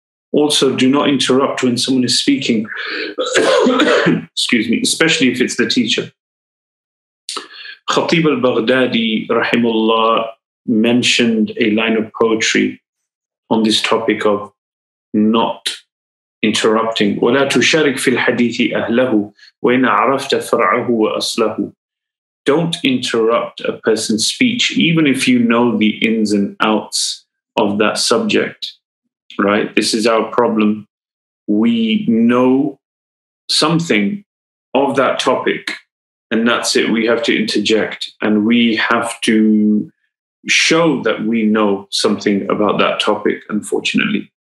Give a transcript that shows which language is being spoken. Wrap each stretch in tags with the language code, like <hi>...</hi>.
<en>Also, do not interrupt when someone is speaking, excuse me, especially if it's the teacher. Khatib al-Baghdadi, rahimullah, mentioned a line of poetry on this topic of not interrupting.</en> <ar>ولا تشارك في الحديث أهله وإن عرفت فرعه وأصله.</ar> <en>Don't interrupt a person's speech, even if you know the ins and outs of that subject, right? This is our problem. We know something of that topic, and that's it. We have to interject, and we have to show that we know something about that topic, unfortunately.</en>